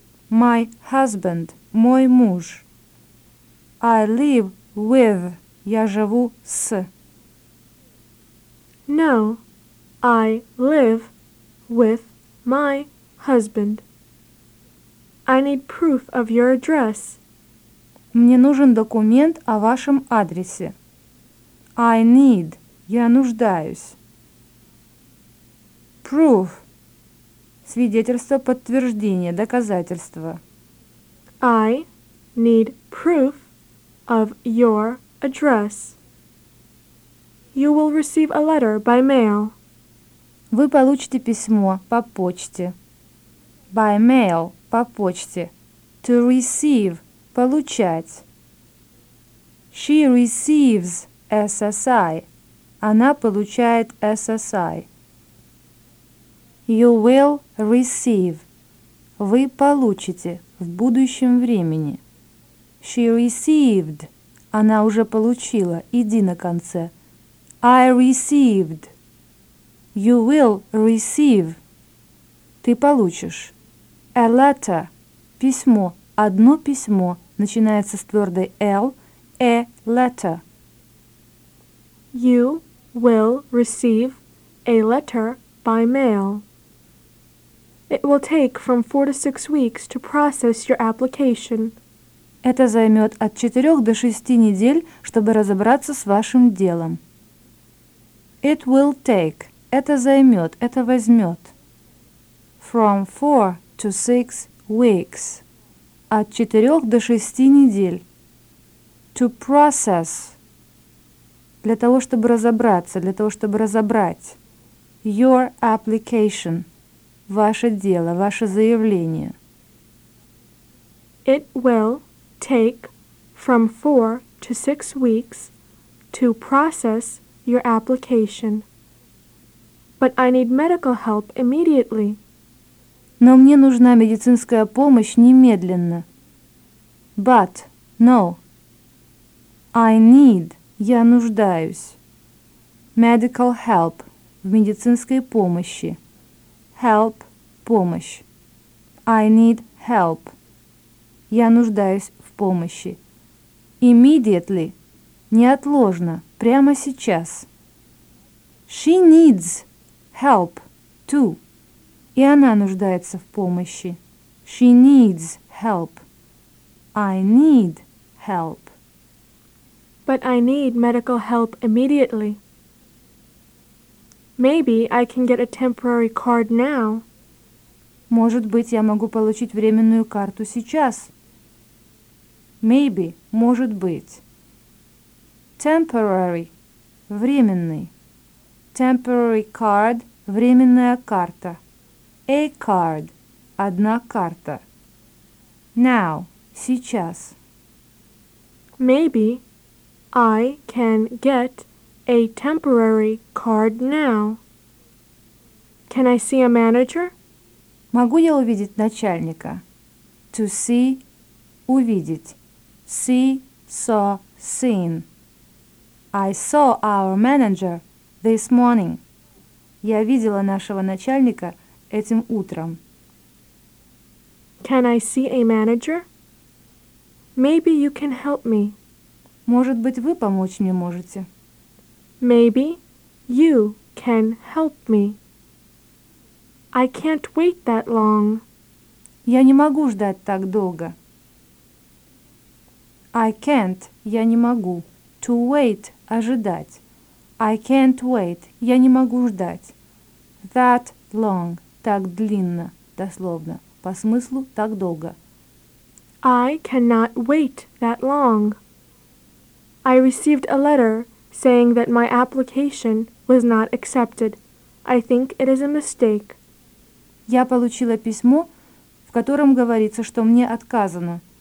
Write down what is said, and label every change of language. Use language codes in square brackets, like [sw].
[en] My husband – [ru] мой муж. [en] I live with – [ru] я живу с. [en] No, I live with my husband. I need proof of your address. [ru] Мне нужен документ о вашем адресе. [en] I need. [ru] Я нуждаюсь. [en] Proof. [ru] Свидетельство, подтверждение, доказательство. [en] I need proof of your address. You will receive a letter by mail. [ru] Вы получите письмо по почте. [en] By mail, [ru] по почте. [en] To receive, получать. She receives SSI. [ru] Она получает SSI. [en] You will receive. [ru] Вы получите в будущем времени. [en] She received. [ru] Она уже получила. Иди на конце. [en] I received. You will receive. [ru] Ты получишь. [en] A letter. Письмо. [ru] Одно письмо. Начинается с твердой L. [en] A letter. You will receive a letter by mail. It will take from 4 to 6 weeks to process your application. [ru] Это займет от 4 до 6 недель, чтобы разобраться с вашим делом. [en] It will take. [ru] Это займет, это возьмет. [en] From 4 to 6 weeks. [ru] От 4 до 6 недель. [en] To process. [ru] Для того, чтобы разобраться, для того, чтобы разобрать. [en] Your application. [ru] Ваше дело, ваше заявление. [en] It will take from 4 to 6 weeks to process your application. But I need medical help immediately. [ru] Но мне нужна медицинская помощь немедленно. [en] But, no. I need. [ru] Я нуждаюсь. [en] Medical help. [ru] В медицинской помощи. Help. Помощь. [en] I need help. [ru] Я нуждаюсь в помощи. Immediately. Неотложно. Прямо сейчас. [en] She needs help too. [ru] И она нуждается в помощи. [en] She needs help. I need help. But I need medical help immediately. Maybe I can get a temporary card now. [ru] Может быть, я могу получить временную карту сейчас. Maybe, может быть. [en] Temporary, временный. Temporary card, [ru] временная карта. [en] A card, [ru] одна карта. [en] Now, сейчас. Maybe I can get a temporary card now. Can I see a manager? [ru] Могу я увидеть начальника? [en] To see, увидеть. See, saw, seen. I saw our manager this morning. [ru] Я видела нашего начальника этим утром. [en] Can I see a manager? Maybe you can help me. [ru] Может быть, вы помочь мне можете? [en] Maybe you can help me. I can't wait that long. [ru] Я не могу ждать так долго. [en] I can't, [ru] я не могу. [en] To wait, ожидать. I can't wait, [ru] я не могу ждать. [en] That long, [ru] так длинно, дословно. По смыслу, так долго. [en] I cannot wait that long. I received a letter saying that my application was not accepted. I think it is a mistake. [ru] Я получила письмо, в котором говорится, что мне отказано.